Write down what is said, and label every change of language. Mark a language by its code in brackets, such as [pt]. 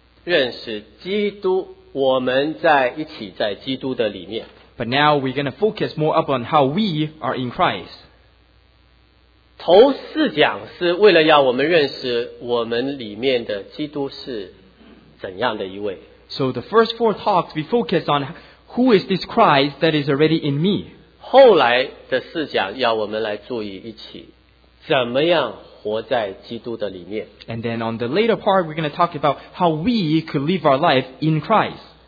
[zh] 但是我们的注意力就是要认识基督, 我们在一起在基督的里面, [en] but now we're going to focus more upon how we are in Christ. [zh] 头四讲是为了要我们认识我们里面的基督是怎样的一位, [en] so the first 4 talks, we focus on who is this Christ that is already in me. [zh] 后来的四讲要我们来注意一起, 怎么样活在基督的里面? [en] And then on the later part, we're going to talk about how we could live our life in Christ.